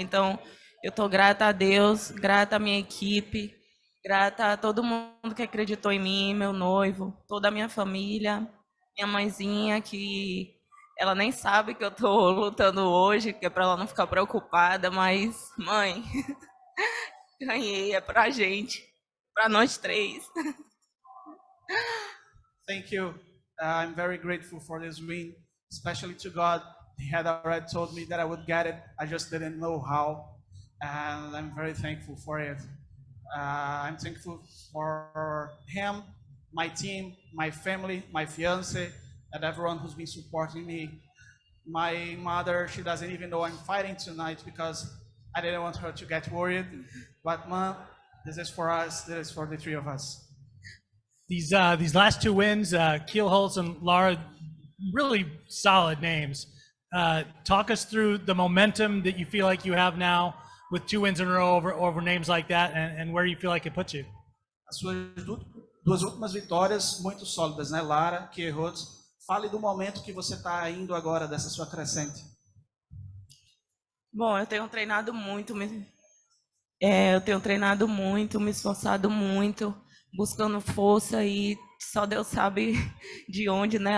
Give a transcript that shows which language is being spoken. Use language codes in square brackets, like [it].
[pt] Então, eu tô grata a Deus, grata à minha equipe, grata a todo mundo que acreditou em mim, meu noivo, toda a minha família, minha mãezinha, que ela nem sabe que eu tô lutando hoje, que é pra ela não ficar preocupada, mas, mãe, ganhei, é pra gente, pra nós três. [en] Thank you. I'm very grateful for this win, especially to God. He had already told me that I would get it, I just didn't know how. And I'm very thankful for it. I'm thankful for him, my team, my family, my fiance, and everyone who's been supporting me. My mother, she doesn't even know I'm fighting tonight because I didn't want her to get worried. But mom, this is for us, this is for the three of us. These last two wins, Kielholtz and Lara, really solid names. Talk us through the momentum that you feel like you have now with two wins in a row over names like that, and where you feel like it puts you. [pt] As suas duas últimas vitórias muito sólidas, né, Lara, Kielholtz. Fale do momento que você está indo agora dessa sua crescente. Bom, eu tenho treinado muito, me esforçado muito, buscando força, e só Deus sabe de onde, né?